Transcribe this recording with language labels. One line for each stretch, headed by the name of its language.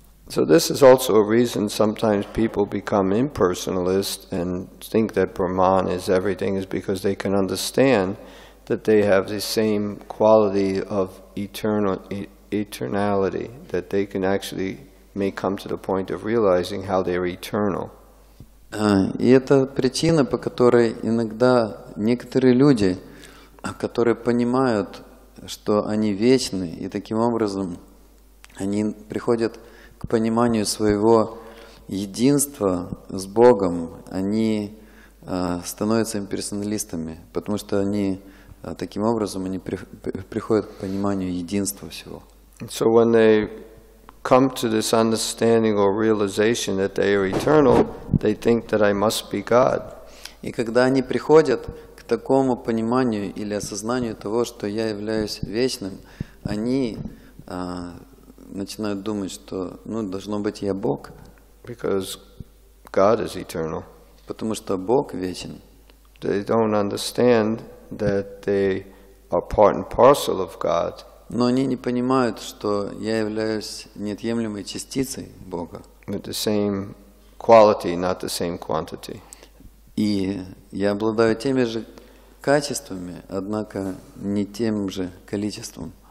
English: So this is also a reason sometimes people become impersonalist and think that Brahman is everything, is because they can understand that they have the same quality of eternality, that they can actually may come to the point of realizing how they're eternal.
Russian: И это причина, по которой иногда некоторые люди, которые понимают, что они вечны, и таким образом они приходят к пониманию своего единства с Богом, они становятся имперсоналистами, потому что они таким образом они приходят к пониманию единства всего.
English: So when they come to this understanding or realization that they are eternal, they think that I must be God.
Russian: И когда они приходят к такому пониманию или осознанию того, что я являюсь вечным, они начинают думать, что, ну, должно быть, я Бог.
English: Because God is eternal.
Russian: Потому что Бог вечен.
English: They don't understand that they are part and parcel of God.
Russian: Но они не понимают, что я являюсь неотъемлемой частицей Бога.
English: With the same quality, not the same quantity.
Russian: И я обладаю теми же качествами, однако не тем же количеством.